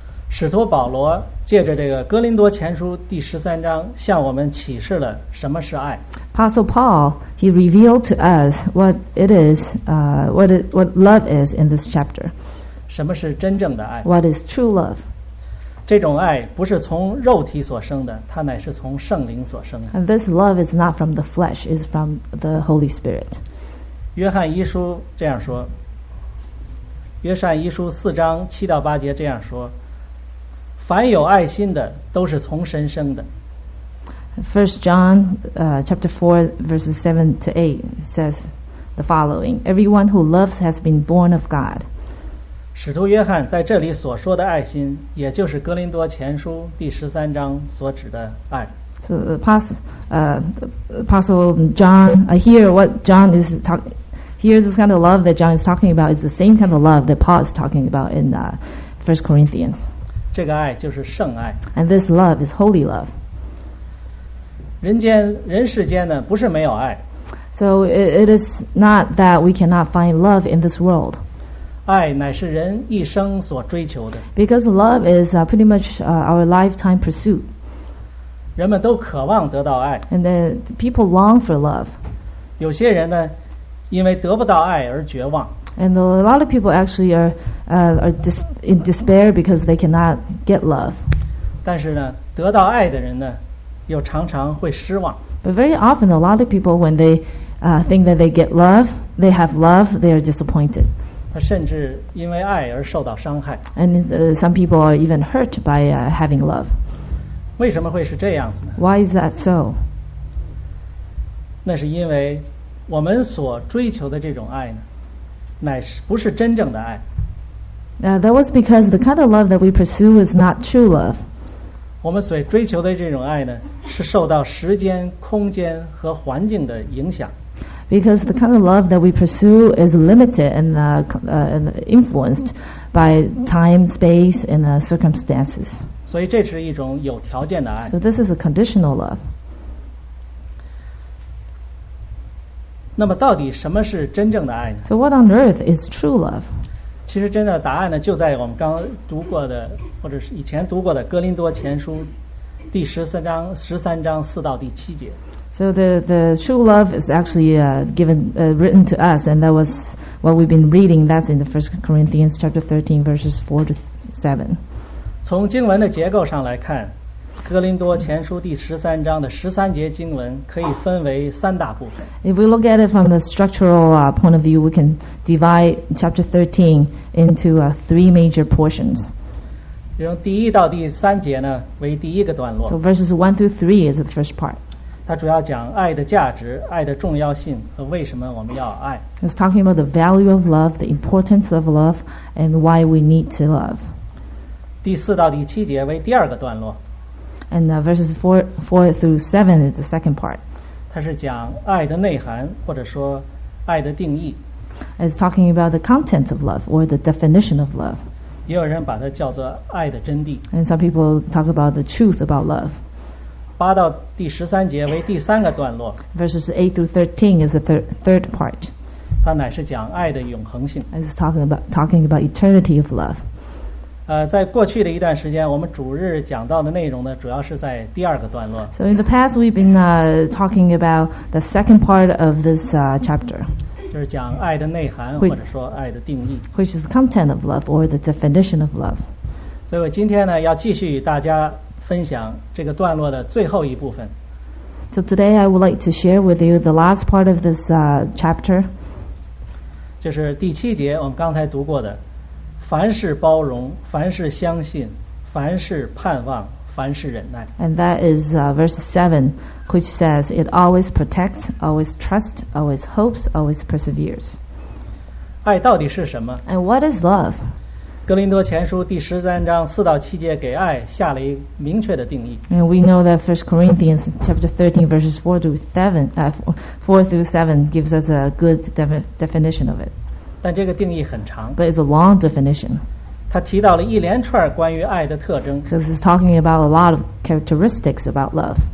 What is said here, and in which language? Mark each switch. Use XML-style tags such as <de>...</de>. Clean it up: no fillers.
<zh>使徒保罗借着这个哥林多前书第十三章向我们启示了什么是爱。</zh> <en>Apostle Paul, he revealed to us what it is, what love is in this chapter.</en> <zh>什么是真正的爱。</zh> <en>What is true love?</en> <zh>这种爱不是从肉体所生的，它乃是从圣灵所生的。</zh> <en>And this love is not from the flesh, it's from the Holy Spirit.</en> <zh>约翰一书这样说。约善一书四章七到八节这样说：凡有爱心的都是从神生的。</zh> <en>First John chapter 4 verses 7 to 8 says the following: Everyone who loves has been born of God.</en> <zh>使徒约翰在这里所说的爱心，也就是哥林多前书第十三章所指的爱。</zh> <en>So here, this kind of love that John is talking about is the same kind of love that Paul is talking about in First Corinthians.</en> <zh>这个爱就是圣爱。</zh> <en>And this love is holy love.</en> <zh>人世间呢，不是没有爱。</zh> <en>So it is not that we cannot find love in this world.</en> <zh>爱乃是人一生所追求的。</zh> <en>Because love is pretty much our lifetime pursuit.</en> <zh>人们都渴望得到爱。</zh> <en>And then people long for love.</en> <zh>有些人呢因为得不到爱而绝望。</zh> <en>And a lot of people actually are in despair because they cannot get love.</en> <zh>但是呢，得到爱的人呢，又常常会失望。</zh> <en>But very often, a lot of people, when they think that they get love, they have love, they are disappointed.</en> <zh>他甚至因为爱而受到伤害。</zh> <en>And some people are even hurt by having love.</en> <zh>为什么会是这样子呢？</zh> <en>Why is that so?</en> <zh>那是因为我们所追求的这种爱呢，乃是不是真正的爱。</zh> <en>That was because the kind of love that we pursue is not true love.</en> <zh>我们所追求的这种爱呢，是受到时间、空间和环境的影响。</zh> <en>Because the kind of love that we pursue is limited and influenced by time, space, and circumstances.</en> <zh>所以这是一种有条件的爱。</zh> <en>So this is a conditional love.</en> <zh>那么到底什么是真正的爱呢？</zh> <en>So what on earth is true love?</en> <zh>其实真的答案呢，就在我们刚读过的，或者是以前读过的《哥林多前书》第13章四到第七节。</zh> <en>So the true love is actually written to us, and that was what we've been reading. That's in the First Corinthians chapter 13, verses 4-7.</en> <zh>从经文的结构上来看，《哥林多前书》第十三章的十三节经文可以分为三大部分。</zh> <en>If we look at it from the structural point of view, we can divide chapter 13 into three major portions.</en> <zh>从第一到第三节呢为第一个段落。</zh> <en>So verses 1-3 is the first part.</en> <zh>它主要讲爱的价值、爱的重要性和为什么我们要爱。</zh> <en>It's talking about the value of love, the importance of love, and why we need to love.</en> <zh>第四到第七节为第二个段落。</zh> <en>And verses 4-7 is the second part.</en> <zh>它是讲爱的内涵，或者说爱的定义。</zh> <en>It's talking about the content of love or the definition of love.</en> <zh>也有人把它叫做爱的真谛。</zh> <en>And some people talk about the truth about love.</en> <zh>八到第十三节为第三个段落。</zh> <en>Verses 8-13 is the third part.</en> <zh>它乃是讲爱的永恒性。</zh> <en>It's talking about eternity of love.</en> <zh>在过去的一段时间，我们主日讲到的内容呢，主要是在第二个段落。</zh> <en>So in the past, we've been talking about the second part of this chapter.</en> <zh>就是讲爱的内涵，或者说爱的定义。</zh> <en>Which is the content of love or the definition of love.</en> <zh>所以我今天呢，要继续与大家分享这个段落的最后一部分。</zh> <en>So today, I would like to share with you the last part of this chapter.</en> <zh>就是第七节，我们刚才读过的。凡事包容，凡事相信，凡事盼望，凡事忍耐。</zh> <en>And that is verse 7, which says, it always protects, always trusts, always hopes, always perseveres.</en> <zh>爱到底是什么？</zh> <en>And what is love?</en> <zh>哥林多前书第十三章四到七节给爱下了一个明确的定义。</zh> <en>And we know that 1 Corinthians chapter 13, verses 4-7 gives us a good definition of it.</en> <zh>但这个定义很长。</zh> <en>But it's a long definition.</en> <zh>它提到了一连串关于爱的特征。</zh> <en>Because it's talking about a lot of characteristics about love.</en>